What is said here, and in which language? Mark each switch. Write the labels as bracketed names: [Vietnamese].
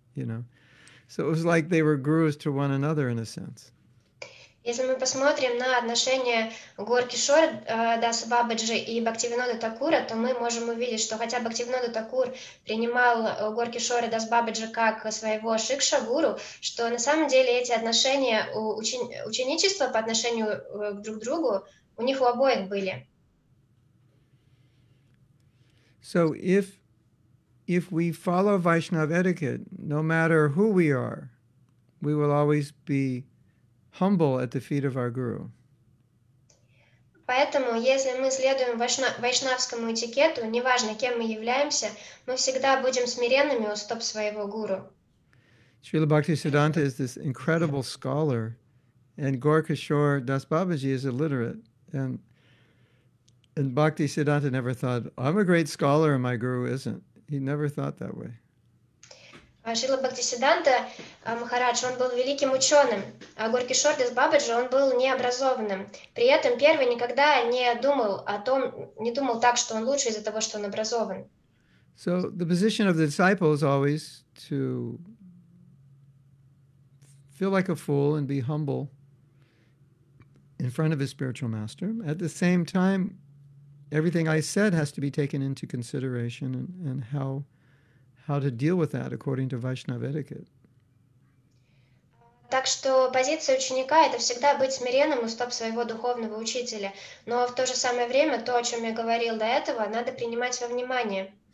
[English] you know. So it was like they were gurus to one another in a sense. [Russian] Если мы посмотрим на отношения Горкишор, Даса Бабаджи и Бхактивинода Такура, то мы можем увидеть, что хотя Бхактивинода Такур принимал Горкишор и Даса Бабаджи как своего шикша-гуру, что на самом деле эти отношения ученичества по отношению друг к другу у них у обоих были. [English] So if we follow Vaishnav etiquette, no matter who we are, we will always be humble at the feet of our guru. [Russian] Поэтому, если мы следуем вайшнавскому этикету, неважно кем мы являемся, мы всегда будем смиренными у стоп своего гуру. [English] Srila Bhaktisiddhanta is this incredible scholar, and Gaurakishor Das Babaji is illiterate, and Bhaktisiddhanta never thought, I'm a great scholar and my guru isn't. He never thought that way. [Russian] Шрила Бхактисиддханта Махарадж, он был великим ученым, а Горкишор Дас Бабаджи, он был необразованным. При этом первый никогда не думал о том, не думал так, что он лучше из-за того, что он образован. [English] So the position of the disciple is always to feel like a fool and be humble in front of his spiritual master. At the same time, everything I said has to be taken into consideration and how to deal with that according to Vaishnava etiquette. [Russian] Так что позиция ученика это всегда быть смиренным у стоп своего духовного учителя, но в то же самое время то, о чем я говорил до этого, надо принимать во внимание.